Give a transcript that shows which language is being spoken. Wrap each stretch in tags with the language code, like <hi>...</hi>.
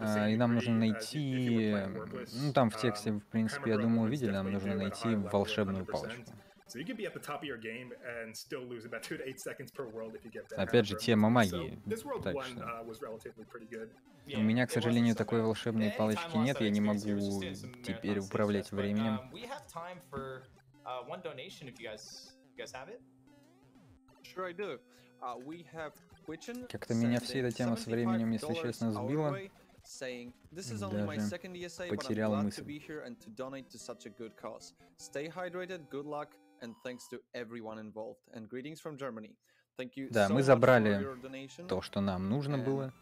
<ru>И нам нужно найти, ну там в тексте, в принципе, я думаю, увидели, нам нужно найти волшебную палочку.</ru> <en>So you could be at the top of your game and still lose about 2 to 8 seconds per world if you get that.</en> <ru>Опять же, тема магии. Так что</ru> <en>was relatively pretty good.</en> <ru>У меня, к сожалению, такой волшебной палочки нет, я не могу теперь управлять временем.</ru> <en>We have time for one donation if you guys have it. Sure I do. We have Quichen.</en> <ru>Как-то меня вся эта тема с временем, если честно, сбила.</ru> <en>Saying this is only my second ESA, but I'm glad to be here and to donate to such a good cause. Stay hydrated, good luck, and thanks to everyone involved. And greetings from Germany. Thank you.</en> <ru>Да, мы забрали то, что нам нужно было.</ru>